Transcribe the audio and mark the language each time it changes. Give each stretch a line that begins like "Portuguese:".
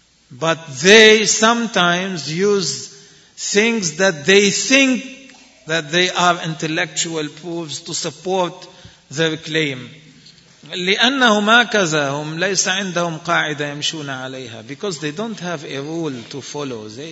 English: But they sometimes use things that they think that they are intellectual proofs to support their claim.
Arabic: لأنهم هكذاهم ليس عندهم قاعدة يمشون عليها.
English: Because they don't have a rule to follow.